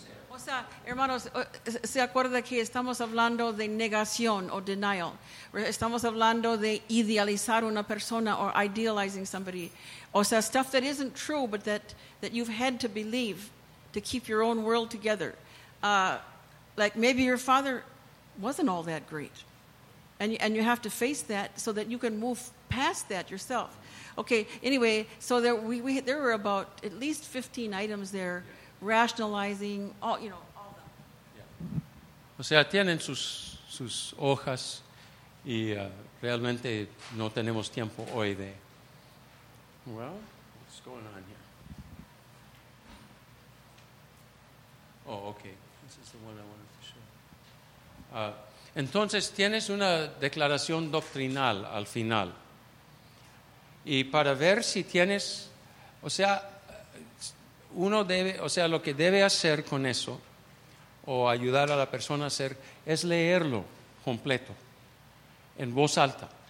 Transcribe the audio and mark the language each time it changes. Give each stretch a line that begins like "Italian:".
Spanish: O sea, hermanos, se acuerda que estamos hablando de negación o denial. Estamos hablando de idealizar una persona
English: or idealizing somebody. O sea, stuff that isn't true, but that you've had to believe to keep your own world together. Like maybe your father wasn't all that great. And you have to face that so that you can move past that yourself. Okay, anyway, so there were about at least 15 items there, rationalizing, all of them.
Spanish: Yeah. O sea, tienen sus hojas y realmente no tenemos tiempo hoy de...
English: Well, what's going on here? Oh, okay. This is the one I wanted to show.
Spanish: Entonces, tienes una declaración doctrinal al final. Y para ver si tienes, o sea, uno debe, o sea, lo que debe hacer con eso, o ayudar a la persona a hacer, es leerlo completo, en voz alta.